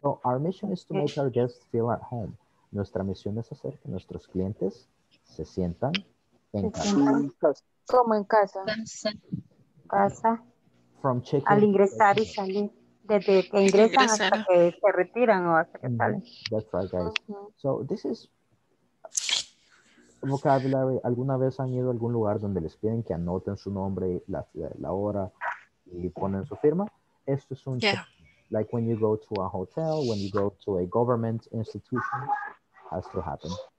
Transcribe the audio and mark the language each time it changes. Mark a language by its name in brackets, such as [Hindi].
[English] So, our mission is to make our guests feel at home. [Spanish] Nuestra misión es hacer que nuestros clientes se sientan en casa. Como en casa. Casa. [English] From check-in. [Spanish] Al ingresar y salir. Desde que ingresan hasta que se retiran o hasta que salen. [English] That's right, guys. So, this is... vocabulary. [Spanish] ¿Alguna vez han ido a algún lugar donde les piden que anoten su nombre, la hora y ponen su firma? Esto es un [English] like when you go to a hotel, when you go to a government institution, has to happen.